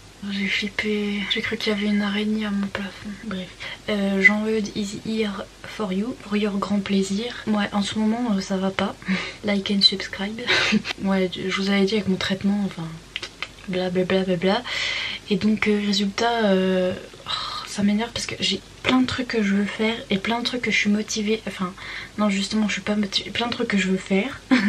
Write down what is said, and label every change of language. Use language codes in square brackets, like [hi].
[fr] J'ai flippé, j'ai cru qu'il y avait une araignée à mon plafond. Bref. [en] Jean-Eude is here for you, for your [fr] grand plaisir. Ouais, en ce moment, ça va pas. [en] Like and subscribe. [fr] Ouais, je vous avais dit avec mon traitement, enfin. Bla bla bla bla bla. Et donc, résultat, ça m'énerve parce que j'ai plein de trucs que je veux faire et plein de trucs que je suis motivée. Enfin, non, justement, je suis pas motivée. Plein de trucs que je veux faire.